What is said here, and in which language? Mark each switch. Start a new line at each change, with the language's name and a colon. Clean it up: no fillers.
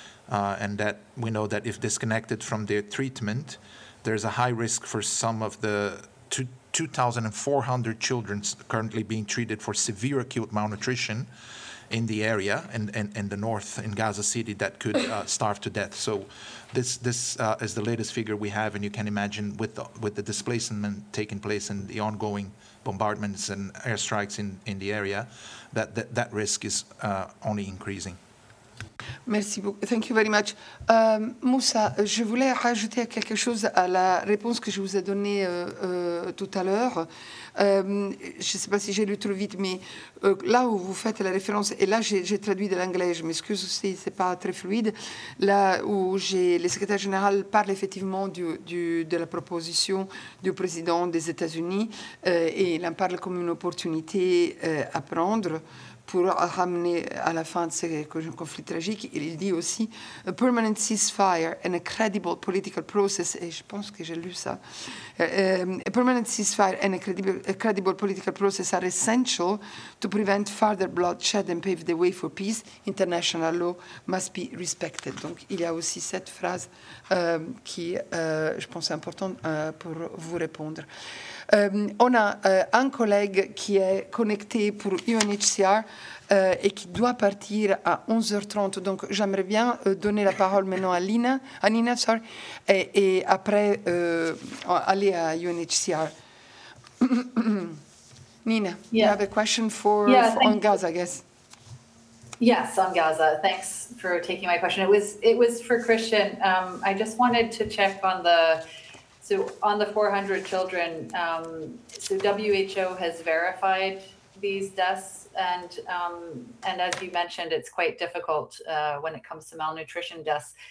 English: And that we know that if disconnected from their treatment, there's a high risk for some of the 2,400 children currently being treated for severe acute malnutrition in the area and in the north in Gaza City that could starve to death. So this is the latest figure we have, and you can imagine with the displacement taking place and the ongoing bombardments and airstrikes in the area, that risk is only increasing.
French: Merci beaucoup.
English: Thank you very much.
French: Moussa, je voulais rajouter quelque chose à la réponse que je vous ai donnée tout à l'heure. Je ne sais pas si j'ai lu trop vite, mais là où vous faites la référence, et là j'ai traduit de l'anglais, je m'excuse si ce n'est pas très fluide, là où le secrétaire général parle effectivement de la proposition du président des États-Unis et il en parle comme une opportunité à prendre. Pour ramener à la fin de ce conflit tragique, il dit aussi «
English: a permanent ceasefire and a credible political process ».
French: Et je pense que j'ai lu ça.
English: « A permanent ceasefire and a credible political process are essential to prevent further bloodshed and pave the way for peace. International law must be respected ».
French: Donc, il y a aussi cette phrase qui, je pense, est importante pour vous répondre. On a un collègue qui est connecté pour UNHCR et qui doit partir à 11h30. Donc, j'aimerais bien donner la parole maintenant à Nina, et après aller à UNHCR.
English: Nina, yeah. You have a question on Gaza, I guess. Yes, on Gaza. Thanks for taking my question. It was for Christian. I just wanted to check on the... So on the 400 children, so WHO has verified these deaths, and as you mentioned, it's quite difficult when it comes to malnutrition deaths.